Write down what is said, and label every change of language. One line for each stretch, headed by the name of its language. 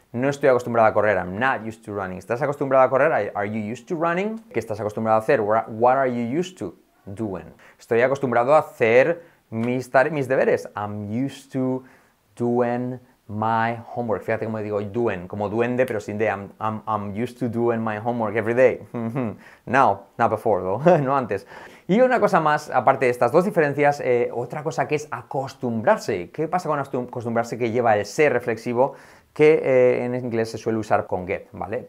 Spanish: No estoy acostumbrado a correr.
English: I'm not used to running.
Spanish: ¿Estás acostumbrado a correr?
English: Are you used to running?
Spanish: ¿Qué estás acostumbrado a hacer?
English: What are you used to doing?
Spanish: Estoy acostumbrado a hacer mis deberes.
English: I'm used to doing my homework.
Spanish: Fíjate cómo digo doing, como duende, pero sin de.
English: I'm used to doing my homework every day. Now, not before, though.
Spanish: No antes. Y una cosa más, aparte de estas dos diferencias, otra cosa que es acostumbrarse. ¿Qué pasa con acostumbrarse que lleva el ser reflexivo? Que en inglés se suele usar con get, ¿vale?